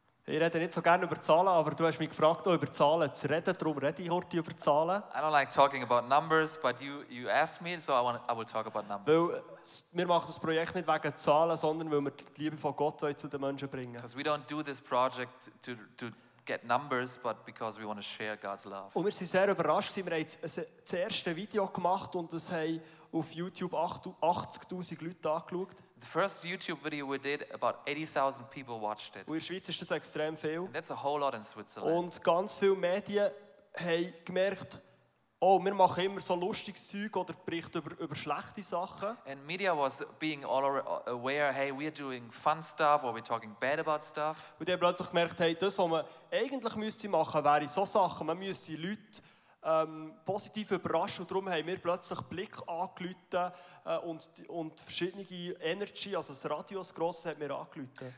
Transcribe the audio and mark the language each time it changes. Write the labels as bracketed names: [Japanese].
[German] Ich rede nicht so gerne über Zahlen, aber du hast mich gefragt, auch über Zahlen zu reden. Darum rede ich heute über Zahlen. [English] I don't like talking about numbers, but you asked me, so I will talk about numbers. [German] Weil wir machen das Projekt nicht wegen Zahlen, sondern weil wir die Liebe von Gott zu den Menschen bringen. [English] Because we don't do this project to get numbers, but because we want to share God's love. [German] Und wir sind sehr überrascht. Wir haben das erste Video gemacht und das haben auf YouTube 80'000 Leute angeschaut. [English] The first YouTube video we did, about 80,000 people watched it. [German] In der Schweiz ist das extrem viel. [English] And that's a whole lot in Switzerland. [German] Und ganz viele Medien haben gemerkt, oh, wir machen immer so lustiges Zeug oder berichten über schlechte Sachen. [English] And media was being all aware, hey, we're doing fun stuff or we're talking bad about stuff. [German] Und die haben plötzlich gemerkt, hey, das, was man eigentlich müsste machen, wäre so Sachen. Man müsste Leute positiv überrascht, und darum haben wir plötzlich Blick angeläutet und verschiedene Energy, also das Radio, das Grosse, hat mir angeläutet.